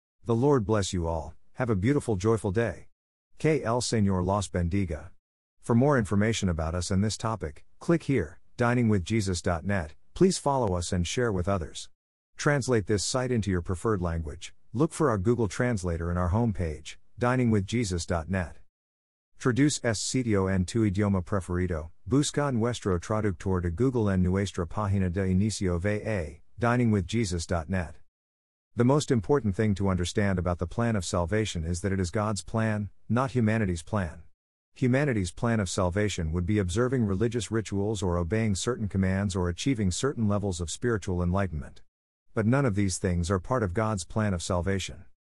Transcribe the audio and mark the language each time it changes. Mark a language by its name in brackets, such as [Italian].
[English] The Lord bless you all, have a beautiful, joyful day. [Spanish] Que el Señor los bendiga. [English] For more information about us and this topic, click here, diningwithjesus.net, please follow us and share with others. Translate this site into your preferred language, look for our Google Translator in our homepage, diningwithjesus.net. [Spanish] Traduce este sitio en tu idioma preferido, busca nuestro traductor de Google en nuestra página de inicio VA, diningwithjesus.net. [English] The most important thing to understand about the plan of salvation is that it is God's plan, not humanity's plan. Humanity's plan of salvation would be observing religious rituals or obeying certain commands or achieving certain levels of spiritual enlightenment. But none of these things are part of God's plan of salvation.